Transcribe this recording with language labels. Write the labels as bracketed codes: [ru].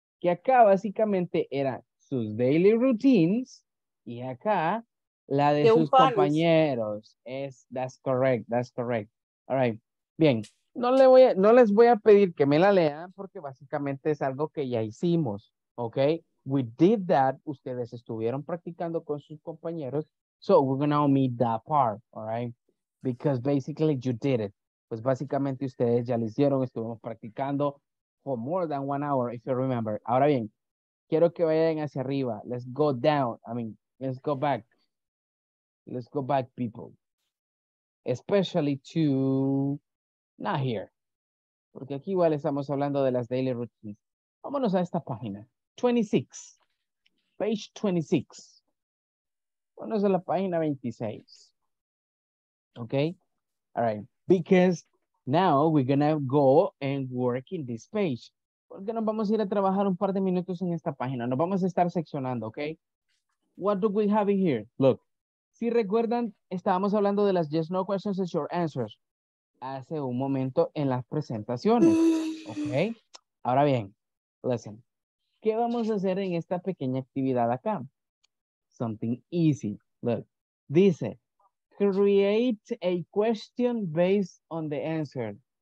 [es] Que acá básicamente era sus daily routines y acá la de sus compañeros. [en] Es, that's correct. [es] All right, bien. No les voy a pedir que me la lean porque básicamente es algo que ya hicimos, ¿ok? [en] We did that. [es] Ustedes estuvieron practicando con sus compañeros. [en] So we're going to omit that part, all right? Because basically you did it. [es] Pues básicamente ustedes ya lo hicieron. Estuvimos practicando [en] for more than 1 hour, if you remember. [es] Ahora bien, quiero que vayan hacia arriba. [en] Let's go down. I mean, let's go back. Let's go back, people. Especially to... Not here. [es] porque aquí igual estamos hablando de las daily routines. Vámonos a esta página. 26. [en] Page 26. [es] Vámonos a la página 26. [en] Okay? All right. Because now we're going to go and work in this page. [es] Porque nos vamos a ir a trabajar un par de minutos en esta página. Nos vamos a estar seccionando, okay? [en] What do we have in here? Look. [es] Si recuerdan, estábamos hablando de las [en] yes, no questions and short answers. [es] Hace un momento en las presentaciones. Okay? Ahora bien, listen. ¿Qué vamos a hacer en esta pequeña actividad acá? [en] Something easy. Look. Dice, create a question based on the answer.